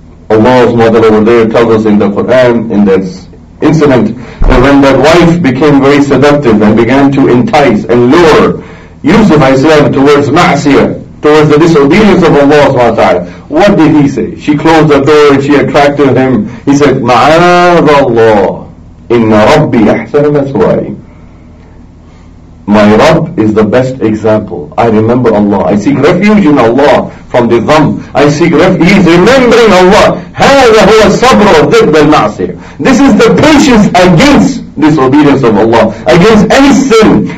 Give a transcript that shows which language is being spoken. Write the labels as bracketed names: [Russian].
[English] Allah's mother over there tells us in the Quran, in this incident, that when that wife became very seductive and began to entice and lure Yusuf al-Islam towards ma'siyah, towards the disobedience of Allah subhanahu wa ta'ala, what did he say? She closed the door and she attracted him. He said, [Arabic] مَعَاذَ اللَّهِ إِنَّ رَبِّي أَحْسَنَ مَثْوَايَ. [English] My Rabb is the best example. I remember Allah. I seek refuge in Allah from the dhamm. I seek refuge. He is remembering Allah. [Arabic] هَذَا هُوَ الصَّبْرُ ضِدَّ الْمَعْصِيَةِ. [English] This is the patience against disobedience of Allah, against any sin.